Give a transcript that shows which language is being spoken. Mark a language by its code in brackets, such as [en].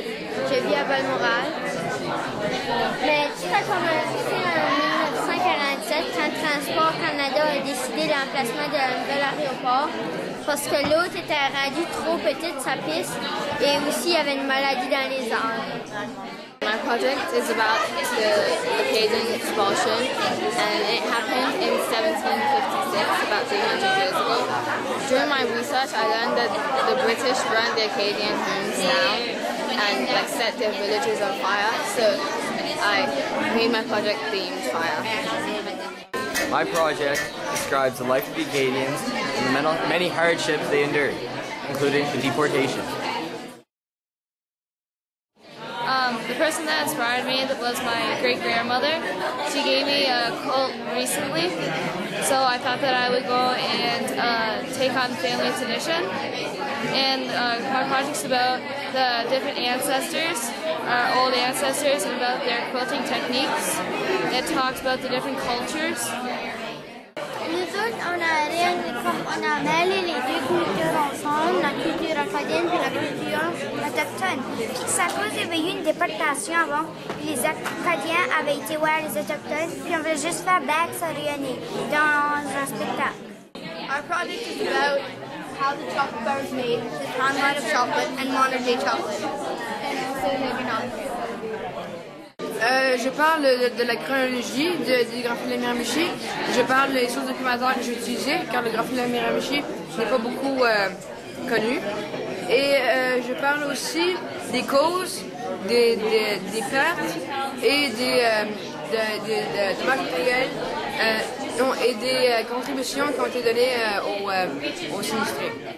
[fr] Je vis à Balmoral. Mais tout ça commence ici en 1947 quand Transport Canada a décidé l'emplacement d'un nouvel aéroport parce que l'autre était rendu trop petite sa piste et aussi il y avait une maladie dans les arbres. [en] My project is about the Acadian expulsion and it happened in 1756, about 300 years ago. During my research I learned that the British burned the Acadian homes down and like set their villages on fire, so I made my project themed fire. My project describes the life of the Acadians and the many hardships they endured, including the deportation. The person that inspired me was my great-grandmother. She gave me a colt recently, so I thought that I would go and take on family tradition. And my project's about the different ancestors, our old ancestors, and about their quilting techniques. It talks about the different cultures. [fr] Nous autres, on a rien de comme on a mêlé les deux cultures ensemble, la culture acadienne et la culture autochtone. Puis ça cause qu'il y avait eu une déportation avant. Les Acadiens avaient été voir les Autochtones, puis on voulait juste faire back se réunir dans un spectacle. [en] Our project is about how the chocolate bar is made, the timeline of chocolate and modern day chocolate. [fr] Je parle de la chronologie du graphite de la Miramichi. Je parle des sources documentaires que j'ai utilisées, car le graphite de la Miramichi n'est pas beaucoup connu. Et je parle aussi des causes, des pertes et des matériels et des contributions qui ont été données aux sinistrés.